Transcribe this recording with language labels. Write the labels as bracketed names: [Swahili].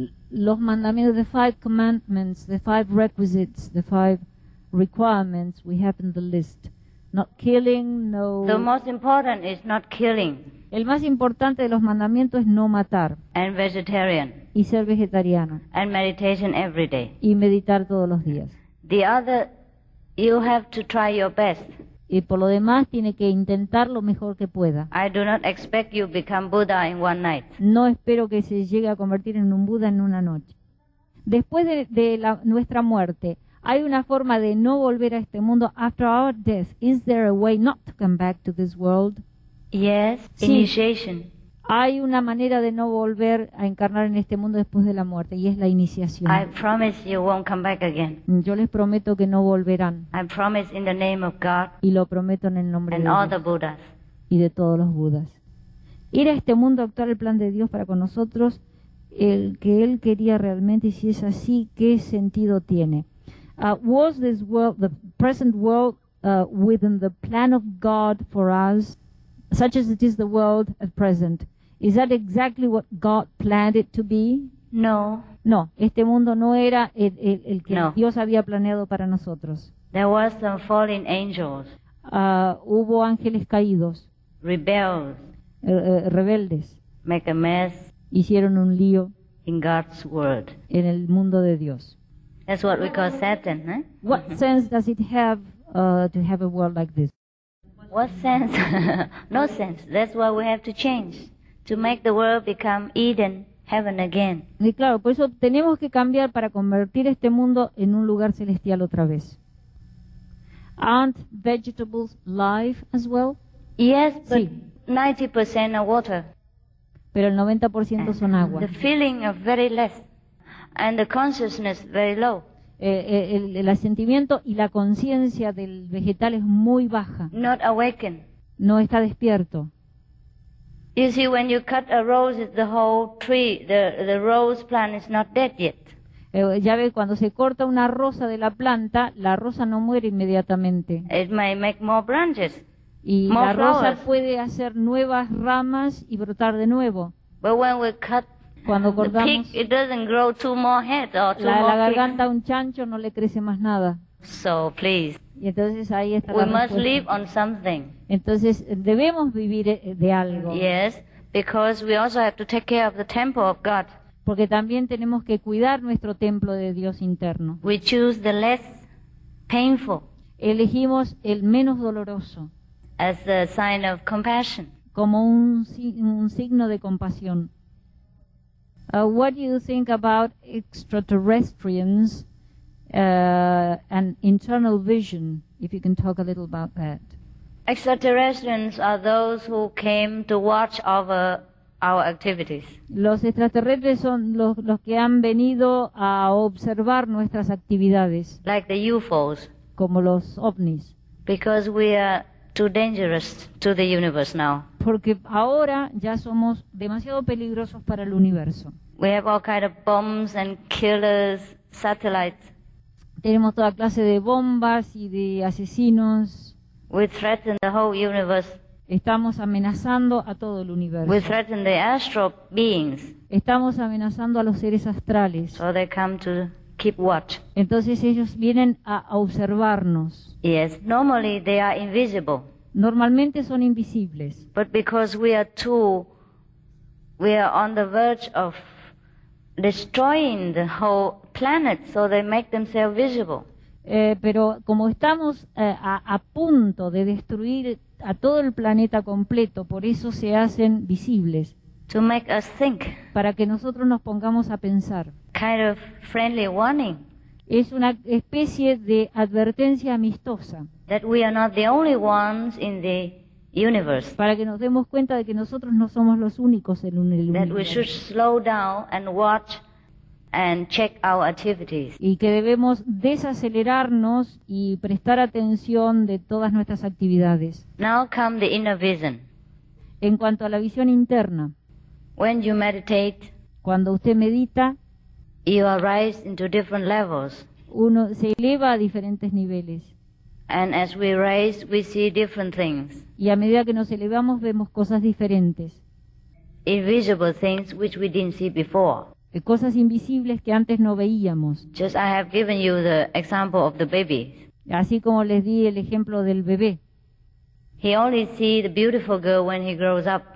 [Spanish] Los mandamientos, [English] the five commandments, the five requisites, the five requirements we have in the list. Not killing, no. The most important is not killing. [Spanish] El más importante de los mandamientos es no matar. [English] And vegetarian. [Spanish] Y ser vegetariano. [English] And meditation every day. [Spanish] Y meditar todos los días. [English] The other, you have to try your best. [Spanish] Y por lo demás tiene que intentar lo mejor que pueda. [English] I do not expect you become Buddha in one night. [Spanish] No espero que se llegue a convertir en un Buda en una noche. Después de nuestra muerte. Hay una forma de no volver a este mundo [English] after our death. Is there a way not to come back to this world? Yes, [Spanish] sí. [English] Initiation. [Spanish] Hay una manera de no volver a encarnar en este mundo después de la muerte y es la iniciación. [English] I promise you won't come back again. [Spanish] Yo les prometo que no volverán. [English] I promise in the name of God. [Spanish] Y lo prometo en el nombre de Dios. [English] And all the Buddhas. [Spanish] Y de todos los Budas. Ir a este mundo a actuar el plan de Dios para con nosotros, el que Él quería realmente y si es así, ¿qué sentido tiene? [English] Was this world, the present world, within the plan of God for us, such as it is the world at present? Is that exactly what God planned it to be? No. [Spanish] No, este mundo no era el que no. Dios había planeado para nosotros. [English] There was some fallen angels. [Spanish] Hubo ángeles caídos. [English] Rebels. [Spanish] Rebeldes. [English] Make a mess. [Spanish] Hicieron un lío. [English] In God's world. [Spanish] En el mundo de Dios. [English] That's what we call Satan, eh? What sense does it have to have a world like this? What sense? No sense. That's what we have to change, to make the world become Eden, heaven again. [Spanish] Y claro, por eso tenemos que cambiar para convertir este mundo en un lugar celestial otra vez. [English] Aren't vegetables life as well? Yes, but sí. 90% are water. [Spanish] Pero el 90% son agua. [English] The feeling of very less and the consciousness very low. [Spanish] El sentimiento y la conciencia del vegetal es muy baja. [English] Not awakened. [Spanish] No está despierto. [English] You see, when you cut a rose, the whole tree, the rose plant is not dead yet. [Spanish] Ya ve, cuando se corta una rosa de la planta, la rosa no muere inmediatamente. [English] It may make more branches. [Spanish] Y [English] more [Spanish] la rosa [English] flowers. [Spanish] Puede hacer nuevas ramas y brotar de nuevo. [English] But when we cut [Spanish] cuando cortamos [English] the pig, it doesn't grow two more heads or two [Spanish] la, [English] more [Spanish] la garganta a un chancho no le crece más nada. [English] So please. [Spanish] Y entonces ahí está [English] we must live on something. [Spanish] Entonces debemos vivir de algo. [English] Yes, because we also have to take care of the temple of God. [Spanish] Porque también tenemos que cuidar nuestro templo de Dios interno. [English] We choose the less painful. [Spanish] Elegimos el menos doloroso. [English] As a sign of compassion. [Spanish] Como un signo de compasión. [English] What do you think about extraterrestrials and internal vision? If you can talk a little about that. Extraterrestrials are those who came to watch over our activities. [Spanish] Los extraterrestres son los que han venido a observar nuestras actividades. [English] Like the UFOs. [Spanish] Como los ovnis. [English] Because we are too dangerous to the universe now. [Spanish] Porque ahora ya somos demasiado peligrosos para el universo. [English] We have all kind of bombs and killers, satellites. [Spanish] Tenemos toda clase de bombas y de asesinos. [English] We threaten the whole universe. [Spanish] Estamos amenazando a todo el universo. [English] We threaten the astral beings. [Spanish] Estamos amenazando a los seres astrales. [English] So they come to keep watch. [Spanish] Entonces ellos vienen a observarnos. [English] Yes, normally they are invisible. [Spanish] Normalmente son invisibles. [English] But because we are on the verge of destroying the whole planet, so they make themselves visible. [Spanish] Pero como estamos a punto de destruir a todo el planeta completo, por eso se hacen visibles. [English] To make us think. [Spanish] Para que nosotros nos pongamos a pensar. [English] Kind of friendly warning. [Spanish] Es una especie de advertencia amistosa. [English] That we are not the only ones in the universe. [Spanish] Para que nos demos cuenta de que nosotros no somos los únicos en el universo. [English] That we should slow down and watch and check our activities. [Spanish] Y que debemos desacelerarnos y prestar atención de todas nuestras actividades. [English] Now come the inner vision. [Spanish] En cuanto a la visión interna. [English] When you meditate, [Spanish] cuando usted medita, [English] you arise into different levels. [Spanish] Uno se eleva a diferentes niveles. [English] And as we rise, we see different things. [Spanish] Y a medida que nos elevamos, vemos cosas diferentes. [English] Invisible things which we didn't see before. [Spanish] Cosas invisibles que antes no veíamos. [English] Just I have given you the example of the baby. [Spanish] Así como les di el ejemplo del bebé. [English] He only sees the beautiful girl when he grows up.